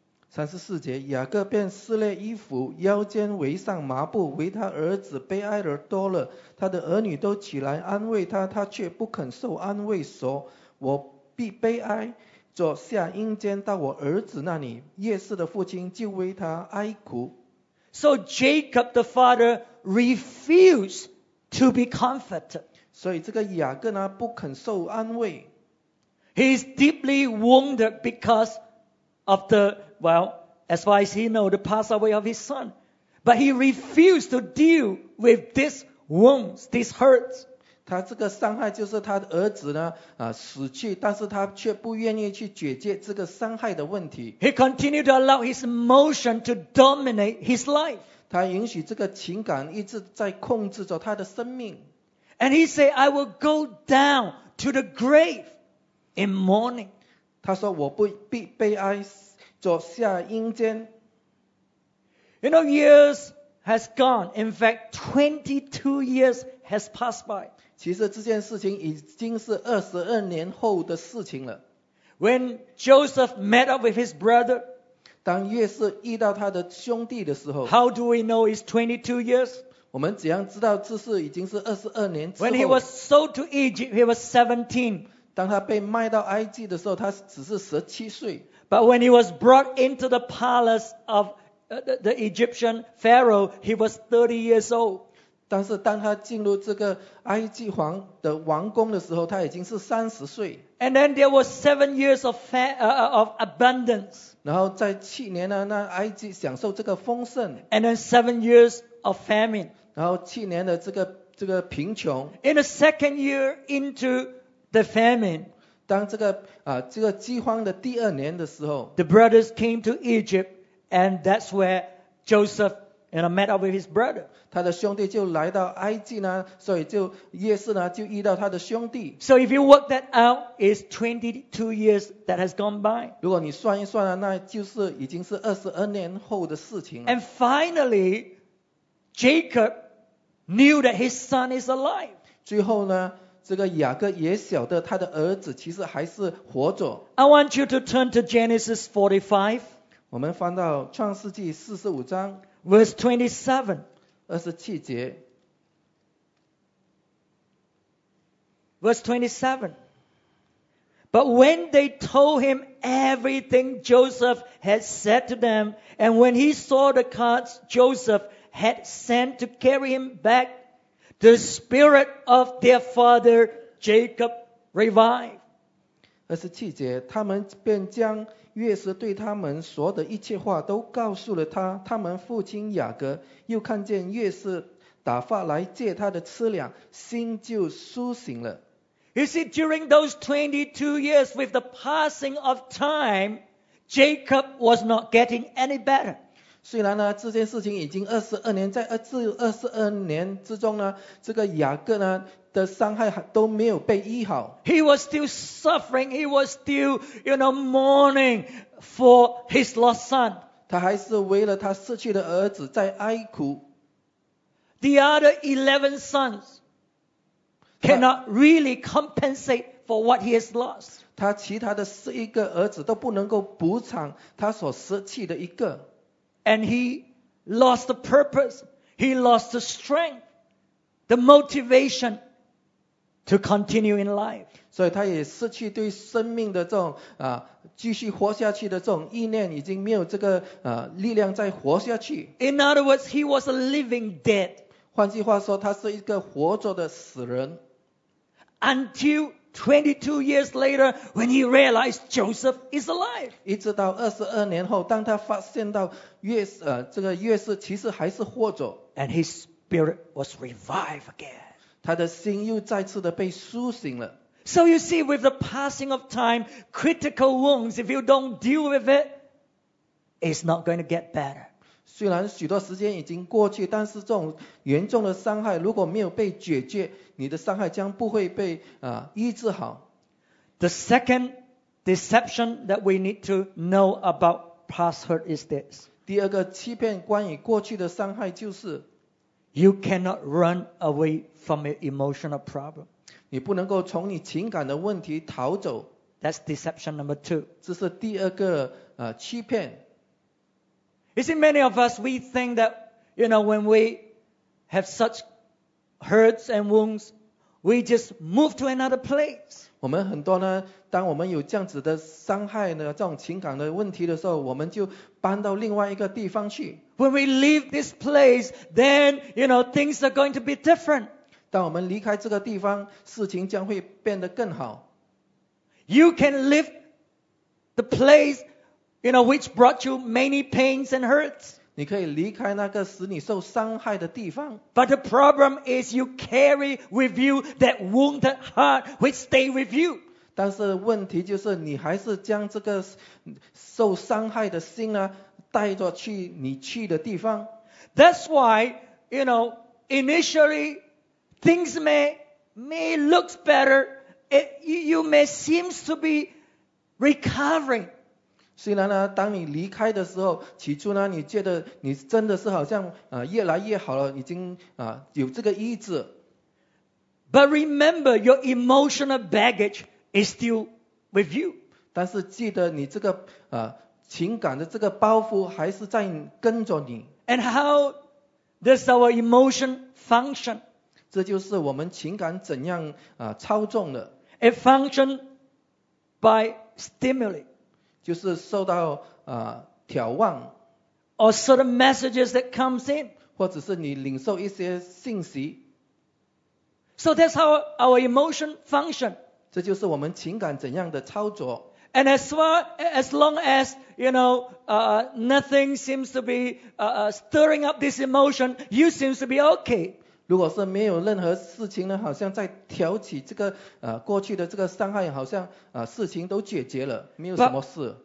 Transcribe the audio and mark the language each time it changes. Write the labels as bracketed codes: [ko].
[zh] 34节，雅各便撕裂衣服，腰间围上麻布，为他儿子悲哀而多了。他的儿女都起来安慰他，他却不肯受安慰，说：“我必悲哀，走下阴间到我儿子那里。” 约瑟的父亲就为他哀哭。 [en] So Jacob the father refused to be comforted. [zh] 所以这个雅各呢，不肯受安慰。 [en] He is deeply wounded because of the Well, as far as he knows, the pass away of his son. But he refused to deal with these wounds, these hurts. [zh] 他这个伤害就是他的儿子呢死去，但是他却不愿意去解决这个伤害的问题。 [en] He continued to allow his emotion to dominate his life. [zh] 他允许这个情感一直在控制着他的生命。 [en] And he said, I will go down to the grave in mourning. [zh] 他说我不必悲哀走下阴间。 [en] You know, years has gone. In fact, 22 years has passed by. [zh] 其实这件事情已经是22年后的事情了。 [en] When Joseph met up with his brother, [zh] 当约瑟遇到他的兄弟的时候， [en] How do we know it's 22 years? [zh] 我们怎样知道这事已经是22年之后？ [en] When he was sold to Egypt, he was 17. [zh] 当他被卖到埃及的时候，他只是17岁。 [en] But when he was brought into the palace of the Egyptian Pharaoh, he was 30 years old. [zh] 但是当他进入这个埃及皇的王宫的时候，他已经是30岁。 [en] And then there were 7 years of abundance. [zh] 然后在七年呢，那埃及享受这个丰盛。 [en] And then 7 years of famine. [zh] 然后七年的这个贫穷。 [en] In the second year into the famine. [zh] 当这个饥荒的第二年的时候， [en] The brothers came to Egypt, and that's where Joseph met up with his brother. [zh] 他的兄弟就来到埃及呢，所以就约瑟呢就遇到他的兄弟。 [en] So if you work that out, it's 22 years that has gone by. [zh] 如果你算一算呢，那就是已经是22年后的事情了。 [en] And finally, Jacob knew that his son is alive. [zh] 最后呢？这个雅各也晓得他的儿子其实还是活着。 [en] I want you to turn to Genesis 45. [zh] 我们翻到创世纪45章。 [en] Verse 27. [zh] 27节。 [en] Verse 27. But when they told him everything Joseph had said to them, and when he saw the cards Joseph had sent to carry him back,The spirit of their father Jacob revived. [zh] 27节，他们便将约瑟对他们说的一切话都告诉了他。他们父亲雅各又看见约瑟打发来借他的吃粮，心就苏醒了。 [en] You see, during those 22 years, with the passing of time, Jacob was not getting any better. [zh] 虽然呢，这件事情已经22年，在22年之中呢，这个雅各呢的伤害都没有被医好。 [en] He was still suffering. He was still, mourning for his lost son. [zh] 他还是为了他失去的儿子在哀哭。 [en] The other 11 sons cannot really compensate for what he has lost. [zh] 他其他的11个儿子都不能够补偿他所失去的一个。 [en] And he lost the purpose, he lost the strength, the motivation to continue in life. [zh] 所以他也失去对生命的这种继续活下去的这种意念，已经没有这个力量再活下去。 [en] In other words, he was a living dead. [zh] 换句话说，他是一个活着的死人。 [en] Until 22 years later, when he realized Joseph is alive. [zh] 一直到22年后，当他发现到约瑟其实还是活着。 [en] And his spirit was revived again. [zh] 他的心又再次的被苏醒了。 [en] So you see, with the passing of time, critical wounds, if you don't deal with it, it's not going to get better. [zh] 虽然许多时间已经过去，但是这种严重的伤害如果没有被解决，你的伤害将不会被医治好。 [en] The second deception that we need to know about past hurt is this. [zh] 第二个欺骗关于过去的伤害就是 [en] You cannot run away from your emotional problem. [zh] 你不能够从你情感的问题逃走。 [en] That's deception number two. [zh] 这是第二个欺骗。 [en] You see, many of us, we think that, when we have such hurts and wounds, we just move to another place. [zh] 我们很多呢，当我们有这样子的伤害呢，这种情感的问题的时候，我们就搬到另外一个地方去。 [en] When we leave this place, then, things are going to be different. [zh] 当我们离开这个地方，事情将会变得更好。 [en] You can leave the place,which brought you many pains and hurts. [zh] 你可以离开那个使你受伤害的地方。 [en] But the problem is you carry with you that wounded heart which stay with you. [zh] 但是问题就是你还是将这个受伤害的心呢带着去你去的地方。 [en] That's why, initially things may look better. You may seem to be recovering. [zh] 虽然呢，当你离开的时候，起初呢，你觉得你真的是好像越来越好了，已经有这个意志。 [en] But remember, your emotional baggage is still with you. [zh] 但是记得你这个情感的这个包袱还是在跟着你。 [en] And how does our emotion function? [zh] 这就是我们情感怎样操纵的。 [en] It functions by stimuli. [zh] 就是受到眺望。 [en] Or certain messages that comes in. [zh] 或者是你领受一些信息。 [en] So that's how our emotion function. [zh] 这就是我们情感怎样的操作。 [en] And as far as long as you know, nothing seems to be stirring up this emotion, you seem to be okay. [zh] 如果是没有任何事情呢，好像在挑起这个过去的这个伤害，好像事情都解决了，没有什么事。